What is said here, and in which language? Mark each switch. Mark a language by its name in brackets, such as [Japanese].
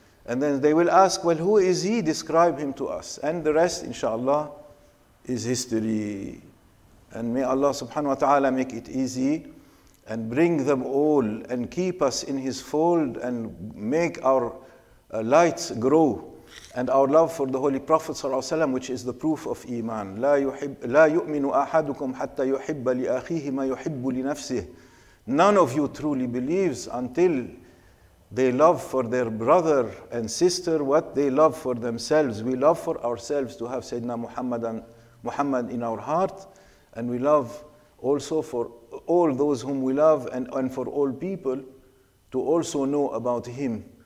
[English] And then they will ask, well, who is he? Describe him to us. And the rest, inshallah, is history. And may Allah [Arabic] subhanahu wa ta'ala [English] make it easy and bring them all and keep us in his fold and make our lights grow and our love for the Holy Prophet [Arabic] sallallahu alaihi wasallam, [English] which is the proof of iman. [Arabic] لا يؤمن أحدكم حتى يحب لأخيه ما يحب لنفسه. [English] None of you truly believes until they love for their brother and sister what they love for themselves. We love for ourselves to have Sayyidina Muhammad in our heart, and we love also for all those whom we love and for all people to also know about him.